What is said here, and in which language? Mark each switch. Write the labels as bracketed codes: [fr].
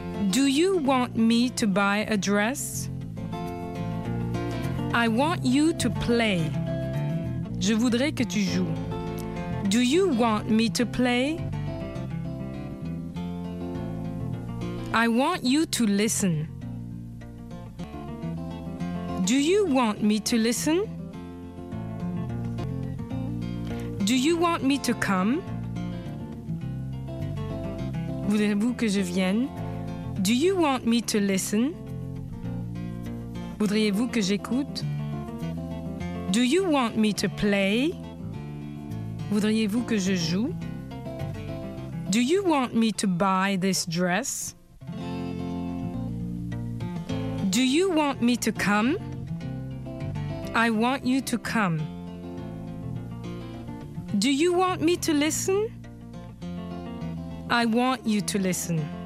[en] Do you want me to buy a dress? I want you to play. [fr] Je voudrais que tu joues. [en] Do you want me to play? I want you to listen. Do you want me to listen? Do you want me to come? [fr] Voulez-vous que je vienne? [en] Do you want me to listen? [fr] Voudriez-vous que j'écoute? [en] Do you want me to play? [fr] Voudriez-vous que je joue? [en] Do you want me to buy this dress? Do you want me to come? I want you to come. Do you want me to listen? I want you to listen.